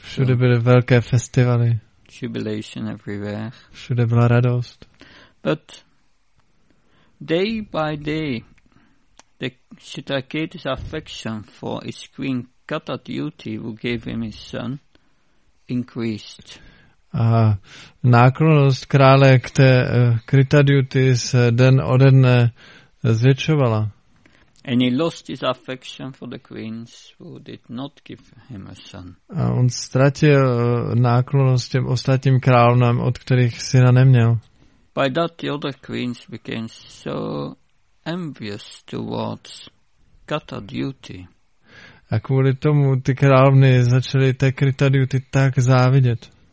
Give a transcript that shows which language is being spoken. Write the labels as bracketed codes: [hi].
[cs] Všude byly velké festivaly. [en] Jubilation everywhere. [cs] Všude byla radost. [en] But day by day, the Chitraketu's affection for his queen Katadyuti, who gave him his son, increased. [cs] A náklonost krále k té Katadyuti se den ode dne zvětšovala. [en] And he lost his affection for the queens who did not give him a son. [cs] A on ztratil náklonost těm ostatním královnám, od kterých syna neměl. [en] By that the other queens became so envious towards Katadyuti. [cs] A kvůli tomu ty královny začaly té Katadyuti tak závidět.